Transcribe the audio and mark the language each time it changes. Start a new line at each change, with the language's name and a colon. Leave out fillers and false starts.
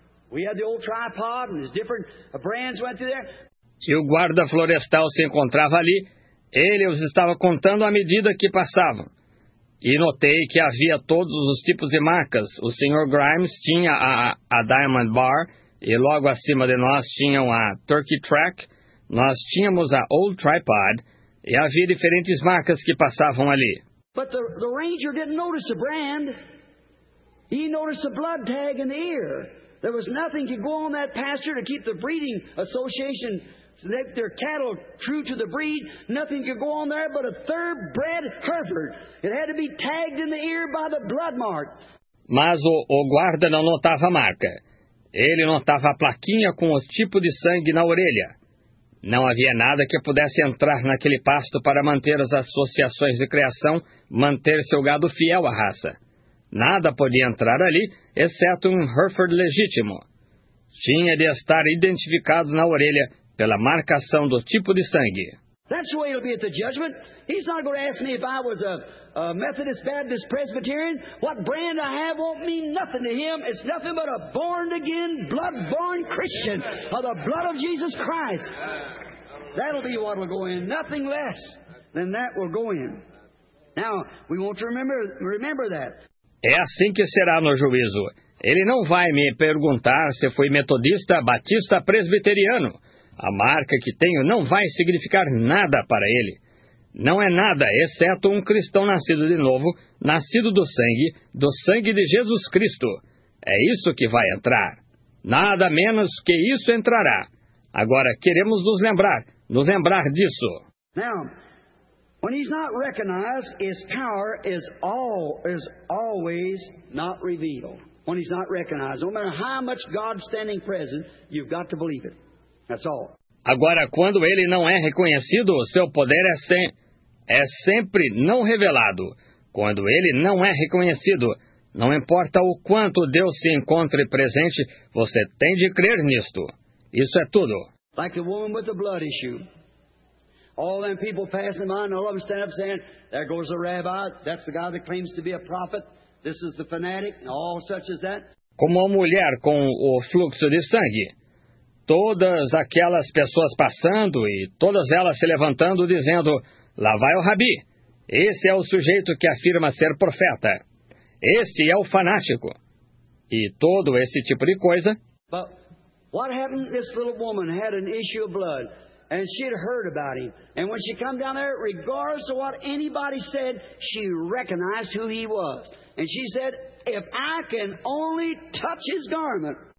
English: We had the old tripod, and there's different brands went through there.
Portuguese: E o guarda florestal se encontrava ali. Ele os estava contando à medida que passavam. E notei que havia todos os tipos de marcas. O Sr. Grimes tinha a Diamond Bar, e logo acima de nós tinham a Turkey Track, nós tínhamos a Old Tripod, e havia diferentes marcas que passavam ali.
English: But the ranger didn't notice the brand. He noticed the blood tag in the ear. There was nothing to go on that pasture to keep the breeding association. That their cattle true to the breed, nothing could go on there but a thoroughbred Hereford. It had to be tagged in the ear by the blood mark.
Portuguese: Mas o guarda não notava a marca. Ele notava a plaquinha com o tipo de sangue na orelha. Não havia nada que pudesse entrar naquele pasto para manter as associações de criação, manter seu gado fiel à raça. Nada podia entrar ali, exceto um Hereford legítimo. Tinha de estar identificado na orelha, pela marcação do tipo de sangue.
English: That's the way it'll be at the judgment. He's not going to ask me if I was a Methodist, Baptist, Presbyterian. What brand I have won't mean nothing to him. It's nothing but a born-again, blood-born Christian of the blood of Jesus Christ. That'll be what'll go in. Nothing less than that will go in. Now, we want to remember that.
Portuguese: É assim que será no juízo. Ele não vai me perguntar se fui metodista, batista, presbiteriano. A marca que tenho não vai significar nada para ele. Não é nada, exceto um cristão nascido de novo, nascido do sangue de Jesus Cristo. É isso que vai entrar. Nada menos que isso entrará. Agora, queremos nos lembrar disso.
English: Now, when he's not recognized, his power is always not revealed. When he's not recognized, no matter how much God's standing present, you've got to believe it. That's all.
Portuguese: Agora, quando ele não é reconhecido, o seu poder é sempre não revelado. Quando ele não é reconhecido, não importa o quanto Deus se encontre presente, você tem de crer nisto. Isso é tudo.
English: Like the woman with the blood issue. All them people passing by, and all of them stand up saying, there goes the rabbi, that's the guy that claims to be a prophet, this is the fanatic, and all such as that.
Portuguese: Como a mulher com o fluxo de sangue. Todas aquelas pessoas passando e todas elas se levantando dizendo, lá vai o Rabi, esse é o sujeito que afirma ser profeta, esse é o fanático, e todo esse tipo de coisa.
English: But what happened, this little woman had an issue of blood, and she had heard about him, and when she came down there, regardless of what anybody said, she recognized who he was, and she said, if I can only touch his garment.